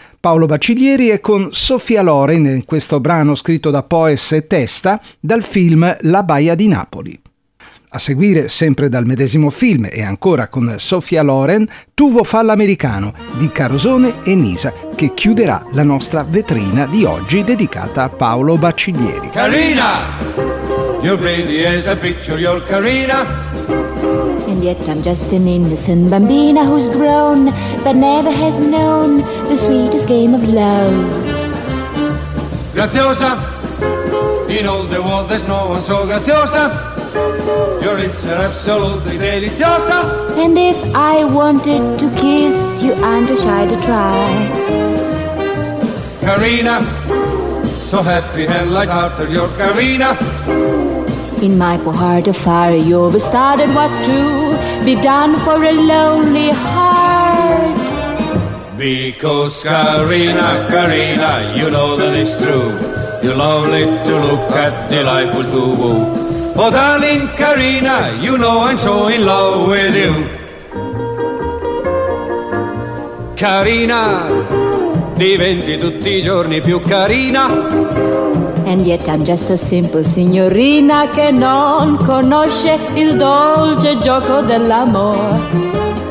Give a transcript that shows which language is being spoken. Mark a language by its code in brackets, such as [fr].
[it] Paolo Baciglieri è con Sofia Loren in questo brano scritto da Poes e Testa dal film La Baia di Napoli. A seguire, sempre dal medesimo film e ancora con Sofia Loren, Tu vo fa l'americano di Carosone e Nisa, che chiuderà la nostra vetrina di oggi dedicata a Paolo Baciglieri. Carina! [en] You're pretty as a picture, you're Carina. And yet I'm just an innocent bambina who's grown, but never has known the sweetest game of love. Graziosa, in all the world there's no one so graziosa. Your lips are absolutely deliciosa. And if I wanted to kiss you, I'm too shy to try. Carina, so happy and light-hearted, you're Carina. In my poor heart of fire, you overstarted was to be done for a lonely heart. Because Carina, Carina, you know that it's true. You're lovely to look at, delightful to woo. Oh darling Carina, you know I'm so in love with you. [it] Carina, diventi tutti i giorni più carina. And yet I'm just a simple signorina che non conosce il dolce gioco dell'amore.